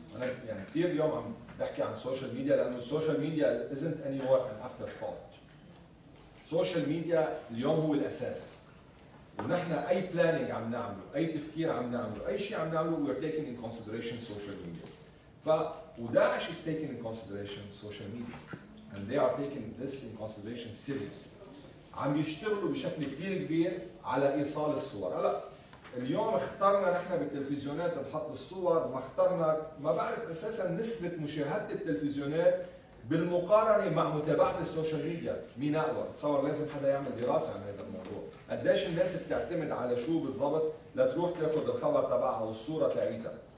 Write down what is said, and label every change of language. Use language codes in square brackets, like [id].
[ar] أنا يعني كثير اليوم عم بحكي عن سوشيال ميديا، لأنه السوشيال ميديا [en] isn't anymore an afterthought. [ar] السوشيال ميديا اليوم هو الأساس، ونحن أي planning عم نعمله، أي تفكير عم نعمله، أي شيء عم نعمله [en] we're taking in consideration social media. وداعش is taking in consideration social media and they are taking this in consideration seriously. [ar] عم يشتغلوا بشكل كبير كبير على إيصال الصور. هلا اليوم اخترنا نحن بالتلفزيونات نحط الصور، ما اخترنا ما بعرف أساسا نسبة مشاهدة التلفزيونات بالمقارنة مع متابعة السوشيال ميديا مين أقوى. تصور لازم حدا يعمل دراسة عن هذا الموضوع، قديش الناس بتعتمد على شو بالضبط لتروح تأخذ الخبر تبعها والصورة تعيدها.